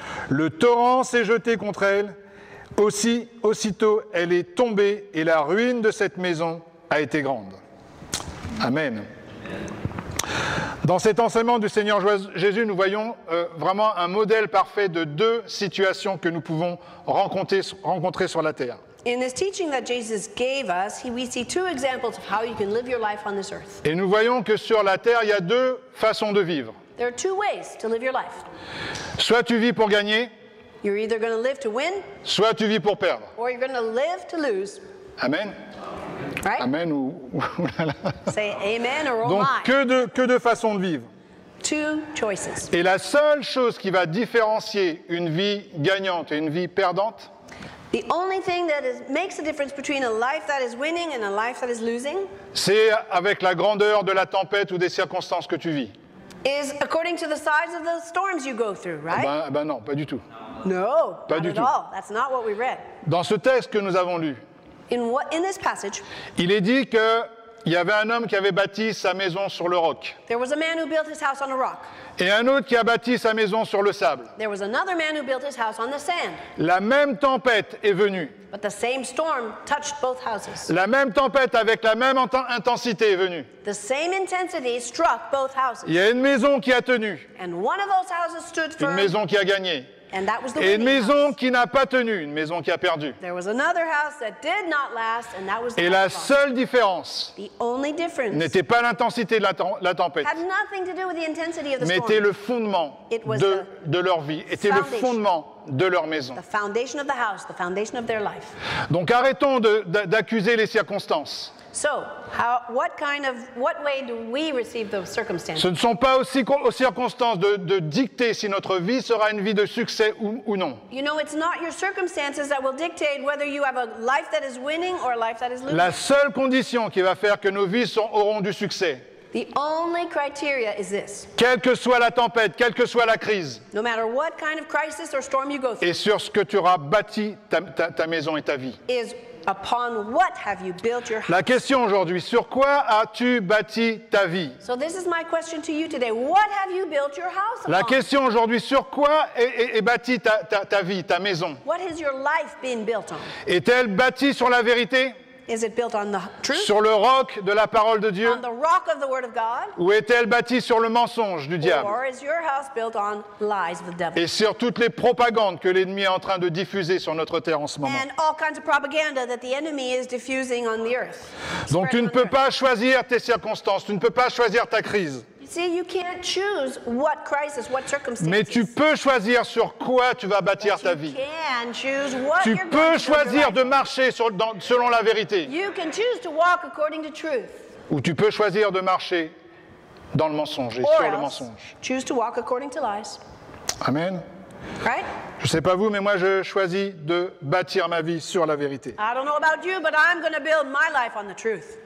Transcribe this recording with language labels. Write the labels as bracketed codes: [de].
[fr] Le torrent s'est jeté contre elle, aussitôt elle est tombée et la ruine de cette maison a été grande. Amen. Dans cet enseignement du Seigneur Jésus, nous voyons vraiment un modèle parfait de deux situations que nous pouvons rencontrer sur la terre. [en] In this teaching that Jesus gave us, we see two examples of how you can live your life on this earth. [fr] Et nous voyons que sur la terre, il y a deux façons de vivre. [en] There are two ways to live your life. [fr] Soit tu vis pour gagner. [en] You're either going to live to win. [fr] Soit tu vis pour perdre. [en] Or you're going to live to lose. Amen. Right? [fr] Amen ou [en] say amen or oh my. [fr] Donc que de façons de vivre. [en] Two choices. [fr] Et la seule chose qui va différencier une vie gagnante et une vie perdante. [en] The only thing that makes a difference between a life that is winning and a life that is losing. [fr] C'est avec la grandeur de la tempête ou des circonstances que tu vis. [en] Is according to the size of the storms you go through, right? [fr] Ben non, pas du tout. [en] No, [fr] pas [en] not [fr] du [en] at [fr] tout. [en] All. That's not what we read. [fr] Dans ce texte que nous avons lu. [en] In this passage. [fr] Il est dit que il y avait un homme qui avait bâti sa maison sur le roc. [en] There was a man who built his house on a rock. [fr] Et un autre qui a bâti sa maison sur le sable. [en] There was another man who built his house on the sand. [fr] La même tempête est venue. [en] But the same storm touched both houses. [fr] La même tempête avec la même intensité est venue. [en] The same intensity struck both houses. [fr] Il y a une maison qui a tenu. [en] And one of those houses stood firm. [fr] Une maison qui a gagné. [en] And that was the [fr] et une maison [en] house. [fr] Qui n'a pas tenu, une maison qui a perdu. [en] There was another house that did not last, and that was [fr] et la seule différence [en] the only difference [fr] n'était pas l'intensité de la tempête, [en] had nothing to do with the intensity of the [fr] mais [en] storm. [fr] Était le fondement de leur vie, était [en] foundation. [fr] Le fondement de leur maison. [en] The foundation of the house, the foundation of their life. [fr] Donc arrêtons d'accuser les circonstances. [en] So, what way do we receive those circumstances? [fr] Ce ne sont pas aux circonstances de dicter si notre vie sera une vie de succès ou non. [en] You know, it's not your circumstances that will dictate whether you have a life that is winning or a life that is losing. [fr] La seule condition qui va faire que nos vies auront du succès. [en] The only criteria is this. [fr] Quelle que soit la tempête, quelle que soit la crise. [en] No matter what kind of crisis or storm you go through. [fr] Et sur ce que tu auras bâti ta maison et ta vie. [en] Is upon what have you built your house? [fr] La question aujourd'hui, sur quoi as-tu bâti ta vie? [en] So this is my question to you today. What have you built your house upon? [fr] La question aujourd'hui, sur quoi est bâti ta vie, ta maison? [en] What has your life been built on? [fr] Est-elle bâtie sur la vérité? [en] Is it built on the truth? [fr] Sur le roc de la parole de Dieu? [en] On the rock of the word of God? [fr] Ou est-elle bâtie sur le mensonge du diable? [en] Or is your house built on lies of the devil? [fr] Et sur toutes les propagandes que l'ennemi est en train de diffuser sur notre terre en ce moment? [en] And all kinds of propaganda that the enemy is diffusing on the earth. [fr] Donc tu ne peux pas choisir tes circonstances, tu ne peux pas choisir ta crise. [en] See, you can't choose what crisis, what circumstances. [fr] Mais tu peux choisir sur quoi tu vas bâtir ta vie. Tu peux choisir de marcher selon la vérité. [en] You can choose to walk according to truth. [fr] Ou tu peux choisir de marcher dans le mensonge et [en] or [fr] sur [en] else, [fr] le mensonge. [en] Choose to walk according to lies. Amen. Right? [fr] Je ne sais pas vous, mais moi je choisis de bâtir ma vie sur la vérité. [en] I don't know about you, but I'm going to build my life on the truth.